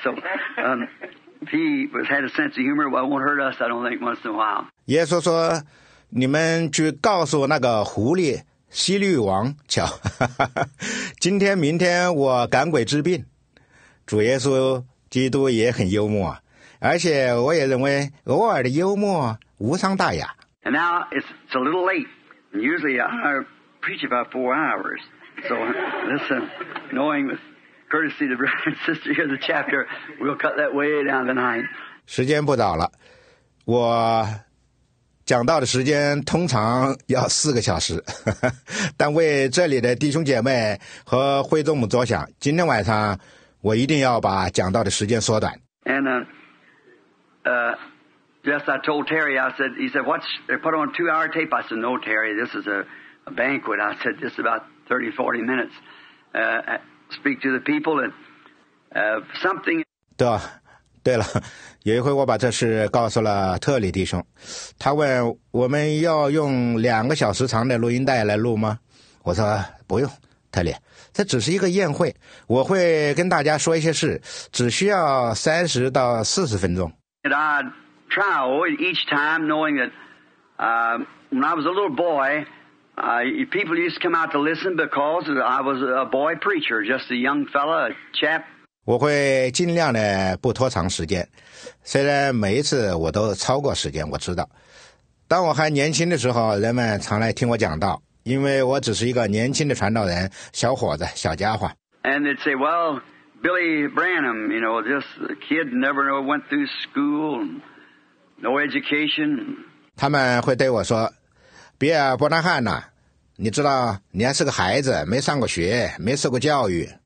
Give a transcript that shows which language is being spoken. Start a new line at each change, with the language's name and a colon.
English: So, if he was, had a sense of humor, well, it won't hurt us, I don't think, once in a while.
Chinese: 耶稣说，你们去告诉那个狐狸西律王，瞧，今天明天我赶鬼治病。主耶稣基督也很幽默，而且我也认为偶尔的幽默无伤大雅。
English: And now it's a little late. Usually I preach about 4 hours. So listen, knowing with courtesy the brother and sister here, the chapter, we'll cut that way down tonight.
Chinese: 时间不早了，我讲到的时间通常要4个小时，但为这里的弟兄姐妹和会众们着想，今天晚上我一定要把讲到的时间缩短。
English: And Yes, I told Terry, he said, they put on a 2-hour tape. I said, no, Terry, this is a banquet. I said, this is about 30, 40 minutes. Speak to the people and something.
Chinese: 对了，有一回我把这事告诉了特里弟兄。他问我们要用2个小时长的录音带来录吗？我说不用，特里，这只是一个宴会。我会跟大家说一些事，只需要30到40分钟。
English: Trial each time, knowing that when I was a little boy, people used to come out to listen because I was a boy preacher, just a young fella, a chap.
Chinese: 我会尽量的不拖长时间，虽然每一次我都超过时间，我知道。当我还年轻的时候，人们常来听我讲道，因为我只是一个年轻的传道人，小伙子，小家伙。
English: And they'd say, "Well, Billy Branham, you know, this kid never went through school." No education.
Chinese: 他们会对我说，比尔·伯南汉呐，你知道，你还是个孩子，没上过学，没受过教育。